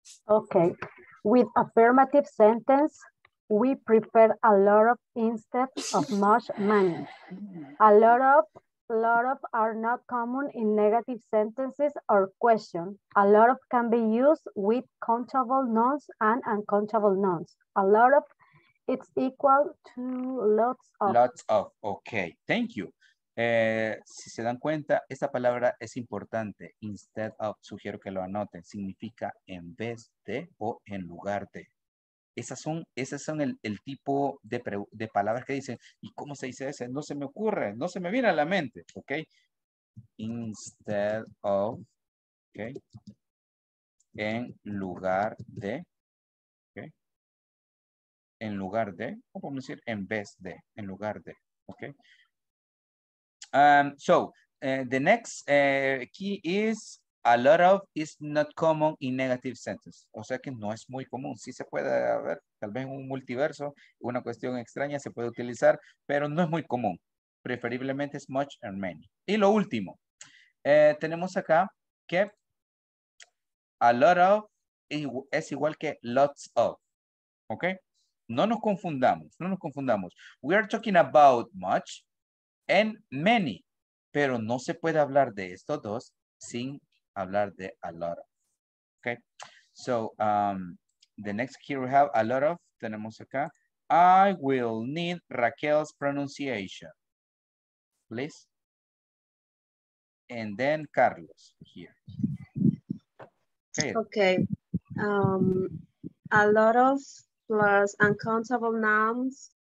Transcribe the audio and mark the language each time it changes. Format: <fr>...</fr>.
<en>Okay, with affirmative sentence, we prefer a lot of instead of much money. A lot of are not common in negative sentences or question. A lot of can be used with countable nouns and uncountable nouns. A lot of, it's equal to lots of. Lots of, okay, thank you.</en> <es>Si se dan cuenta, esta palabra es importante. Instead of, sugiero que lo anoten. Significa en vez de o en lugar de. Esas son el tipo de palabras que dicen. ¿Y cómo se dice ese? No se me ocurre. No se me viene a la mente. ¿Ok? Instead of. ¿Ok? En lugar de. ¿Ok? En lugar de. O podemos decir en vez de. En lugar de. ¿Ok?</es> <en>The next key is a lot of is not common in negative sentences.</en> <es>O sea que no es muy común. Sí se puede haber, tal vez un multiverso, una cuestión extraña se puede utilizar, pero no es muy común. Preferiblemente es much and many. Y lo último, tenemos acá que A lot of es igual que lots of. ¿Ok? No nos confundamos, no nos confundamos.</es> <en>We are talking about much and many.</en> <es>Pero no se puede hablar de estos dos sin hablar de a lot of. ¿Ok?</es> <en>So, the next here we have a lot of.</en> <es>Tenemos acá.</es> <en>I will need Raquel's pronunciation. Please. And then Carlos here. Okay. Okay. A lot of plus uncountable nouns.</en>